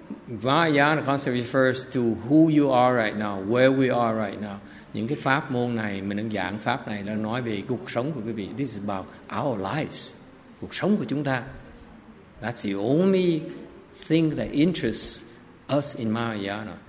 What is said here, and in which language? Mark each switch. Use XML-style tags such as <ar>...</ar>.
<en>Mahayana concept refers to who you are right now, where we are right now.</en> <vi>Những cái pháp môn này, mình đang giảng pháp này là nói về cuộc sống của quý vị.</vi> <en>This is about our lives,</en> <vi>cuộc sống của chúng ta.</vi> <en>That's the only thing that interests us in Mahayana.</en>